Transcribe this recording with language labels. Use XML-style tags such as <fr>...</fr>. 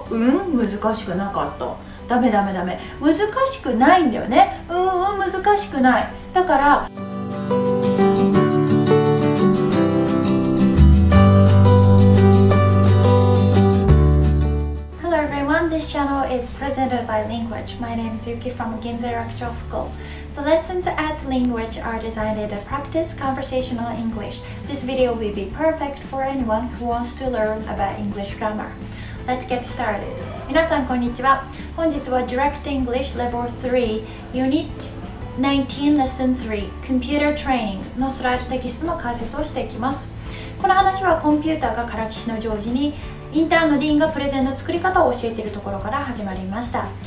<ja>難しくなかった、ダメダメダメ、難しくないんだよね、難しくない。だから</ja> <en>This channel is presented by Language. My name is Yuki from Ginza Rakuchou School. The lessons at Language are designed to practice conversational English. This video will be perfect for anyone who wants to learn about English grammar. Let's get started.</en> <ja>皆さんこんにちは。本日は Direct English Level 3 Unit 19 Lesson 3 Computer Training のスライドテキストの解説をしていきます。この話はコンピューターがからきしのジョージにインターンのディーンがプレゼンの作り方を教えているところから始まりました。</ja>